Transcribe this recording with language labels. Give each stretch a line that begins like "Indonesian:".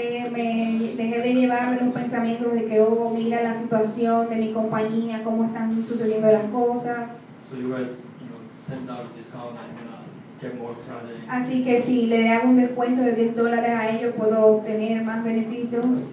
Spanish: me dejé de llevarme los pensamientos de que mira la situación de mi compañía, cómo están sucediendo las cosas.
English: So you guys, $10 discount, I'm gonna get more projects.
Spanish: Así que si le hago un descuento de $10 a ellos, puedo obtener más beneficios.